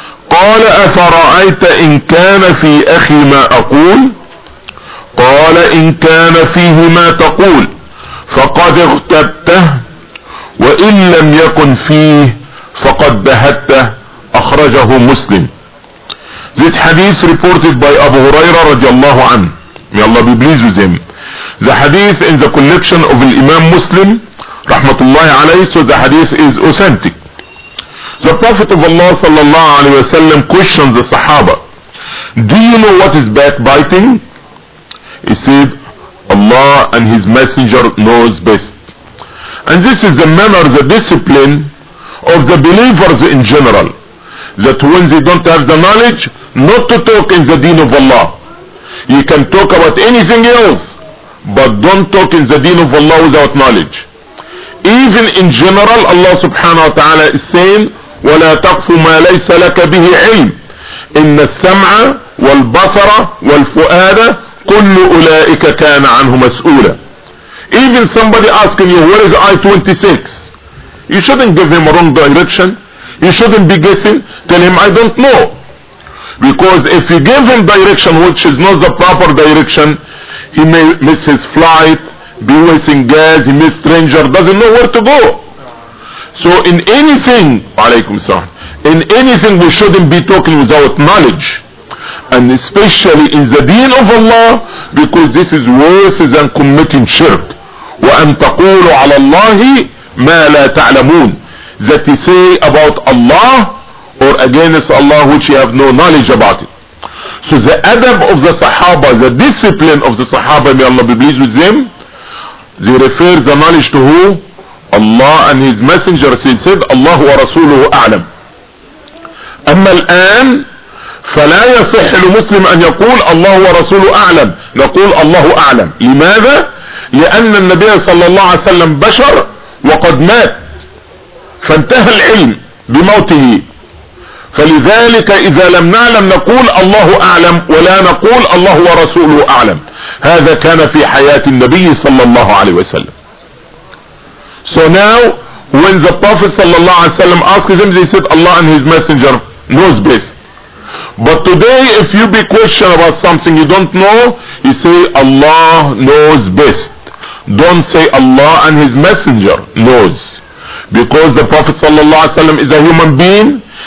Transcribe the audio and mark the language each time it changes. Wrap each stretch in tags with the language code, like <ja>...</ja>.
<ar>قال أفرأيت إن كان في أخي ما أقول؟ قال إن كان فيه ما تقول فقد اغتبته، وإن لم يكن فيه فقد بهته. أخرجه مسلم.</ar> <en>This hadith reported by Abu Huraira</en> <ar>رضي الله عنه.</ar> <en>May Allah be pleased with him. The hadith in the collection of the Imam Muslim</en> <ar>رحمة الله عليه.</ar> <en>So the hadith is authentic. The Prophet of Allah</en> <ar>صلى الله عليه وسلم</ar> <en>questioned the Sahaba, do you know what is backbiting? He said, Allah and His Messenger knows best. And this is the manner, the discipline of the believers in general, that when they don't have the knowledge, not to talk in the deen of Allah. You can talk about anything else, but don't talk in the deen of Allah without knowledge. Even in general, Allah subhanahu wa ta'ala is saying,</en> <ar>وَلَا تَقْفُ مَا لَيْسَ لَكَ بِهِ عِلْمٍ إِنَّ السَّمْعَ وَالْبَصَرَ وَالْفُؤَادَ كُلُّ أُولَٰئِكَ كَانَ عَنْهُ مَسْئُولًا.</ar> <en>Even somebody asking you, where is I-26? You shouldn't give him a wrong direction. You shouldn't be guessing. Tell him, I don't know. Because if you give him direction which is not the proper direction, he may miss his flight, be wasting gas, he miss stranger, doesn't know where to go. So in anything,</en> <ar>alaykum salam,</ar> <en>in anything we shouldn't be talking without knowledge. And especially in the deen of Allah, because this is worse than committing shirk.</en> <ar>وَأَن تَقُولُ عَلَى اللَّهِ مَا لَا تَعْلَمُونَ,</ar> <en>that you say about Allah or against Allah which you have no knowledge about it. So the adab of the Sahaba, the discipline of the Sahaba, may Allah be pleased with them, they refer the knowledge to who? Allah and His Messenger.</en> <ar>Said Allah wa Rasuluhu A'lam. أَمَّا الْآنِ فلا يصح لمسلم أن يقول الله ورسوله أعلم. نقول الله أعلم. لماذا؟ لأن النبي صلى الله عليه وسلم بشر وقد مات فانتهى العلم بموته, فلذلك اذا لم نعلم نقول الله اعلم ولا نقول الله ورسوله اعلم. هذا كان في حياة النبي صلى الله عليه وسلم.</ar> <en>So now when the prophet</en> <ar>صلى الله عليه وسلم</ar> <en>asked him, they said Allah and his messenger knows best. But today if you be questioned about something you don't know, you say Allah knows best. Don't say Allah and his messenger knows. Because the prophet</en> <ar>صلى الله عليه وسلم</ar> <en>is a human being.</en>